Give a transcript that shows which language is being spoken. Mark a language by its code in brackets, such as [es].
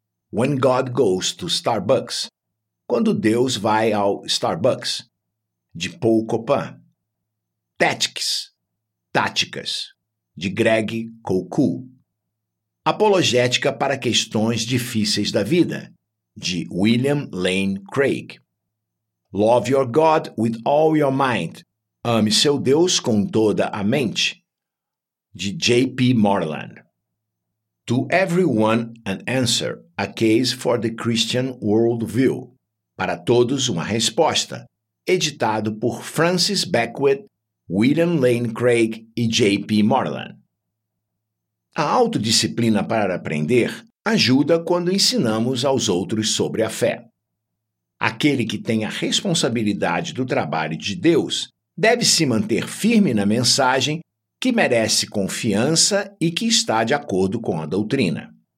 [en] When God goes to Starbucks. [pt] Quando Deus vai ao Starbucks. De Paul Copan. [en] Tactics. [pt] Táticas. De Greg Koukou. Apologética para questões difíceis da vida. De William Lane Craig. [en] Love your God with all your mind. [pt] Ame seu Deus com toda a mente. De J.P. Moreland. [en] To everyone an answer, a case for the Christian worldview. [pt] Para todos uma resposta. Editado por Francis Beckwith, William Lane Craig e J.P. Moreland. A autodisciplina para aprender ajuda quando ensinamos aos outros sobre a fé. Aquele que tem a responsabilidade do trabalho de Deus deve se manter firme na mensagem que merece confiança e que está de acordo com a doutrina.